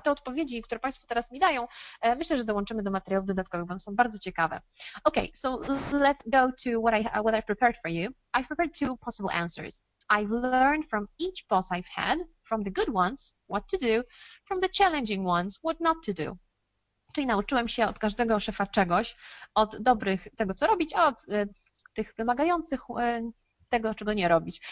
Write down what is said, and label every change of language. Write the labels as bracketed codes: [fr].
[pl] Te odpowiedzi, które Państwo teraz mi dają, myślę, że dołączymy do materiałów dodatkowych, bo one są bardzo ciekawe. [en] Okay, so let's go to what I've prepared for you. I've prepared two possible answers. I've learned from each boss I've had, from the good ones, what to do, from the challenging ones, what not to do. [pl] Czyli nauczyłem się od każdego szefa czegoś, od dobrych tego, co robić, a od tych wymagających tego, czego nie robić.